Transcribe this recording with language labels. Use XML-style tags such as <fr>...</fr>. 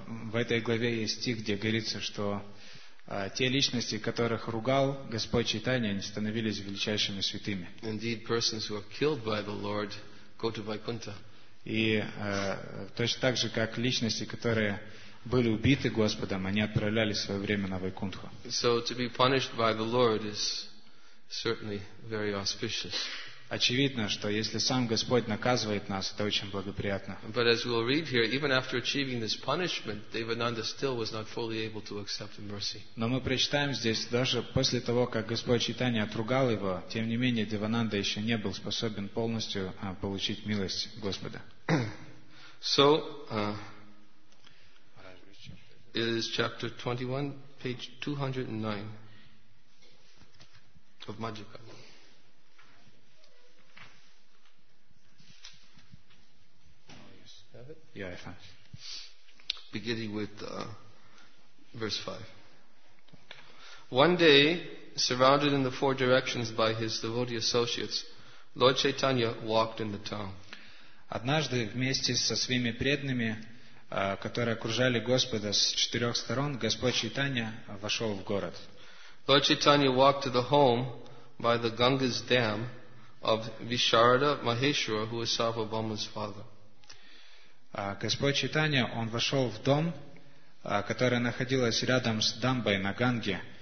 <ru>В этой главе есть стих, где говорится, что те личности, которых ругал Господь Чайтанья, они становились величайшими святыми.</ru> <en>Indeed, persons who are killed by the Lord go to Vaikuntha.</en> <ru>И точно так же, как личности, которые были убиты Господом, они отправлялись в свое время на Вайкунтху.</ru> <en>So to be punished by the Lord is certainly very auspicious.</en> <ru>Очевидно, что если сам Господь наказывает нас, это очень благоприятно.</ru> <en>But as we'll read here, even after achieving this punishment, Devananda still was not fully able to accept the mercy.</en> <ru>Но мы прочитаем здесь, даже после того, как Господь Чайтанья отругал его, тем не менее Девананда еще не был способен полностью получить милость Господа.</ru> <en>So, it is chapter 21, page 209 of Majjhika. Yeah, I found. Beginning with verse 5. One day, surrounded in the four directions by his devotee associates, Lord Chaitanya walked in the town. Однажды вместе со своими преданными, которые окружали Господа с четырех сторон, Господь Чайтанья вошел в город. Lord Chaitanya walked to the home by the Ganga's dam of Visharada Maheshwara, who was Sarvabhauma's father.</en> <ru>Господь Чайтанья, он вошел в дом, который находился рядом с дамбой на Ганге.</ru>